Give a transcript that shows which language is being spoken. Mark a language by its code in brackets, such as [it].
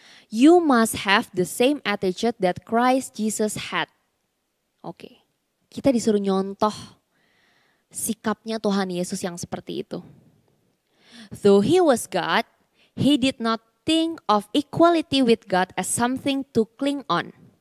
[en] You must have the same attitude that Christ Jesus had. [id] Oke. Kita disuruh nyontoh sikapnya Tuhan Yesus yang seperti itu. [en] Though he was God, he did not think of equality with God as something to cling on.